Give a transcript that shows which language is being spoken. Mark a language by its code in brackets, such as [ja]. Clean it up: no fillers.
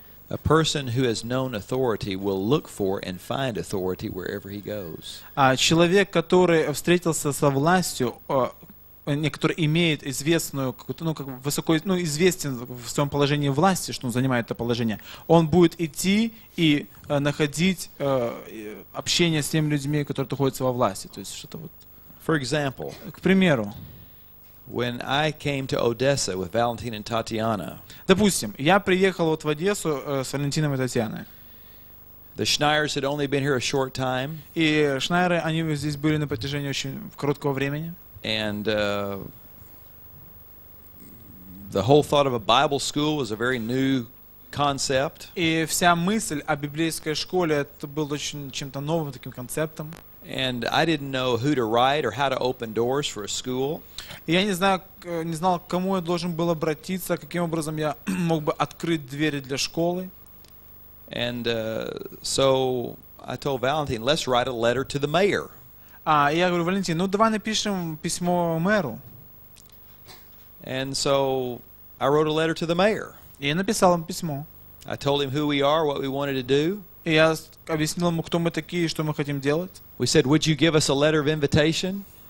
[en] A person who has known authority will look for and find authority wherever he goes. [ru] Человек, который встретился со властью, который имеет известную, известен в своем положении власти, что он занимает это положение, он будет идти и находить общение с теми людьми, которые находятся во власти. То есть что-то вот. [en] For example. [ru] К примеру. [en] When I came to Odessa with Valentin and Tatiana. [ru] Допустим, я приехал вот в Одессу с Валентином и Татьяной. [en] The Schneiders had only been here a short time. [ru] И Шнайеры, они здесь были на протяжении очень короткого времени. [en] And the whole thought of a Bible school was a very new concept. [ru] И вся мысль о библейской школе это был очень чем-то новым таким концептом. [en] And I didn't know who to write or how to open doors for a school. [ru] Я не знал, к кому я должен был обратиться, каким образом я мог бы открыть двери для школы. [en] And so I told Valentin, let's write a letter to the mayor. [ru] Я говорю, Валентин, давай напишем письмо мэру. [en] And so I wrote a letter to the mayor. [ru] Я написал ему письмо. [en] I told him who we are, what we wanted to do. [ru] И я объяснил ему, кто мы такие и что мы хотим делать. [en] We said, would you give us a letter of invitation?